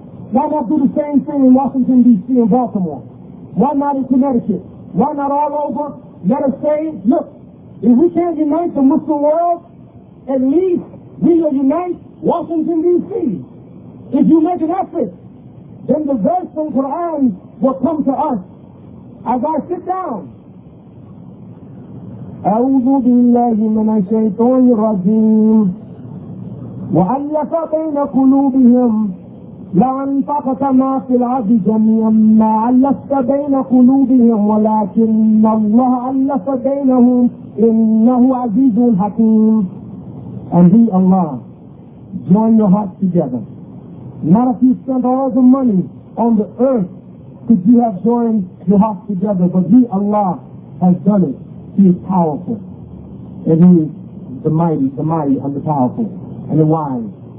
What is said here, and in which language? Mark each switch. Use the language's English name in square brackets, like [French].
[English] Why not do the same thing in Washington, D.C. and Baltimore? Why not in Connecticut? Why not all over? Let us say, look, if we can't unite the Muslim world, at least we will unite Washington, D.C. If you make an effort, then the verse from Quran will come to us. As I sit down, [Arabic] أعوذ بالله من الشيطان الرجيم وألف بين قلوبهم لو انفقت ما في العرض جميعا ما ألفت بين قلوبهم ولكن الله ألف بينهم إنه عزيز حكيم. [English] And he, Allah, join your hearts together. Not if you spend all the money on the earth could you have joined your hearts together, but he, Allah, has done it. He is powerful, and he is the mighty and the powerful, and the wise.